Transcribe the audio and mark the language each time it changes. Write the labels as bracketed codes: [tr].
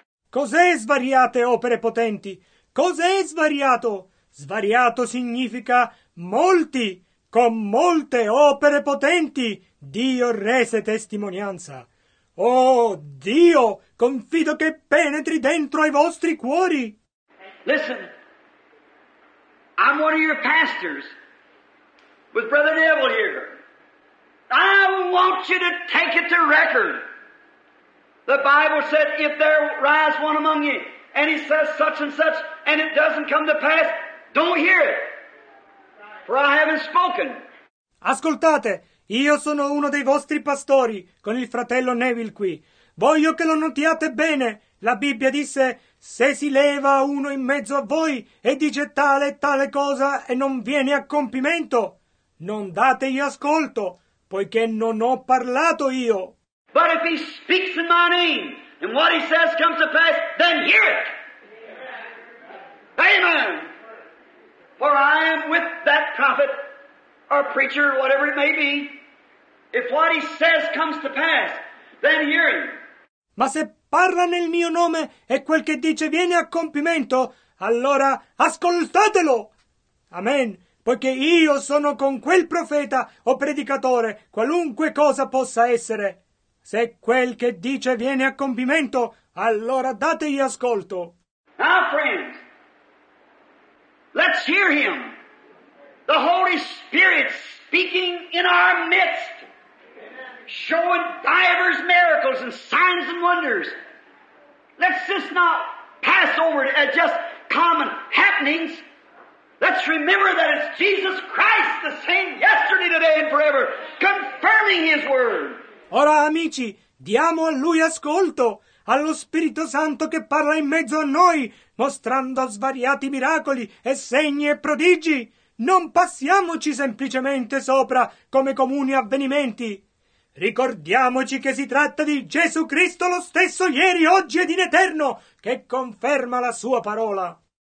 [it] Cos'è svariate opere potenti? Cos'è svariato? Svariato significa molti, con molte opere potenti, Dio rese testimonianza. Oh, Dio, confido che penetri dentro ai vostri cuori. [en] Listen, I'm one of your pastors with Brother Neville here. I want you to take it to record. The Bible said, if there rise one among you, and he says such and such, and it doesn't come to pass, don't hear it, for I haven't spoken. [it] Ascoltate, io sono uno dei vostri pastori, con il fratello Neville qui. Voglio che lo notiate bene. La Bibbia disse, se si leva uno in mezzo a voi e dice tale e tale cosa e non viene a compimento, non dategli ascolto. Poiché non ho parlato io. [en] But if he speaks in my name and what he says comes to pass, then hear it. Amen. Amen. For I am with that prophet or preacher, whatever it may be. If what he says comes to pass, then hear him. [it] Ma se parla nel mio nome e quel che dice viene a compimento, allora ascoltatelo. Amen. Poiché io sono con quel profeta o predicatore, qualunque cosa possa essere. Se quel che dice viene a compimento, allora dategli ascolto. [en] Now, friends, let's hear him. The Holy Spirit speaking in our midst, showing divers miracles and signs and wonders. Let's just not pass over it as just common happenings. Let's remember that it's Jesus Christ, the same yesterday, today and forever, confirming his word. [it] Ora, amici, diamo a lui ascolto, allo Spirito Santo che parla in mezzo a noi, mostrando svariati miracoli e segni e prodigi. Non passiamoci semplicemente sopra come comuni avvenimenti. Ricordiamoci che si tratta di Gesù Cristo lo stesso ieri, oggi ed in eterno, che conferma la sua parola.